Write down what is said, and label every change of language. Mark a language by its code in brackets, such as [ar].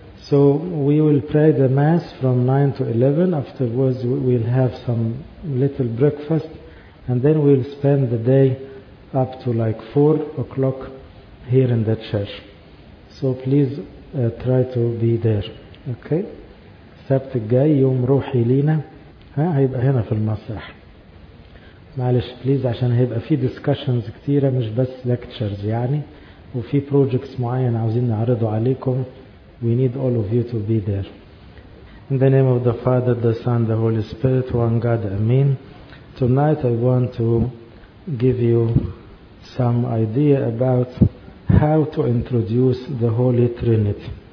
[en] So we will pray the Mass from 9 to 11. Afterwards, we'll have some little breakfast. And then we'll spend the day up to like 4 o'clock here in the church. So please try to be there. Okay? [ar] سبت الجاي يوم روحي لينا هيبقى هنا في المسرح. معلش بليز عشان هيبقى في discussions كتيرة مش بس lectures يعني وفي projects معين عاوزين نعرضه عليكم. [en] We need all of you to be there. In the name of the Father, the Son, the Holy Spirit, one God, Amen. Tonight I want to give you some idea about how to introduce the Holy Trinity.